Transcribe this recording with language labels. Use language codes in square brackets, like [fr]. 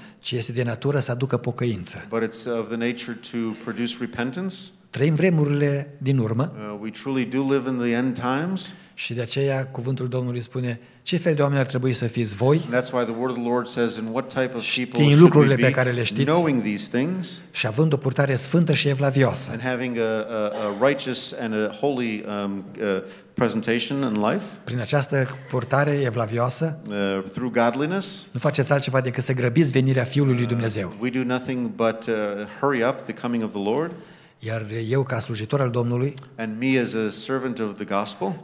[ro] ci este de natură să aducă pocăință. [en] But it's of the nature to produce repentance. [ro] Trăim vremurile din urmă. [en] We truly do live in the end times. [ro] Și de aceea cuvântul Domnului spune: ce fel de oameni ar trebui să fiți voi? [en] That's why the word of the Lord says in what type of people [ro] știind lucrurile pe care le știți, [en] knowing these things, [ro] și având o purtare sfântă și evlavioasă. [en] And having a righteous and a holy presentation in life. [ro] Prin această purtare evlavioasă, [en] through godliness, [ro] nu faceți altceva decât să grăbiți venirea Fiului lui Dumnezeu. [en] We do nothing but hurry up the coming of the Lord. [ro] Iar eu ca slujitor al Domnului, [en] and me as a servant of the gospel,